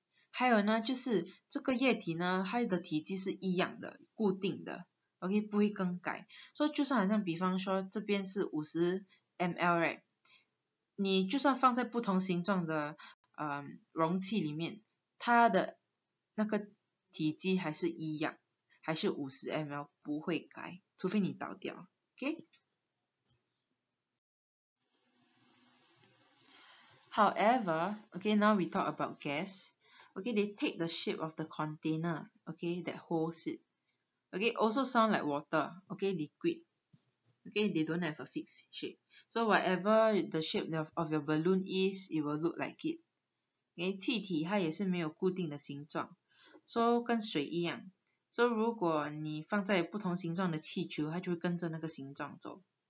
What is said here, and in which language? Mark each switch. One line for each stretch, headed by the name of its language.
Chinese: 还有呢, 就是这个液体呢, 它的体积是一样的, 固定的, OK, 不会更改, 所以就算好像比方说, 这边是 50ml, right? 你就算放在不同形状的, 容器里面, 它的那个体积还是一样, 还是 50ml, 不会改, 除非你倒掉, OK?
English: 好,however, OK, now we talk about gas. OK, they take the shape of the container, OK, that holds it. Okay, also sound like water, okay, liquid. Okay, they don't have a fixed shape. So whatever the shape of your balloon is, it will look like it.
Chinese: Okay, 气体它也是没有固定的形状.So 跟水一样. So 如果你放在不同形状的气球, 它就会跟着那个形状走.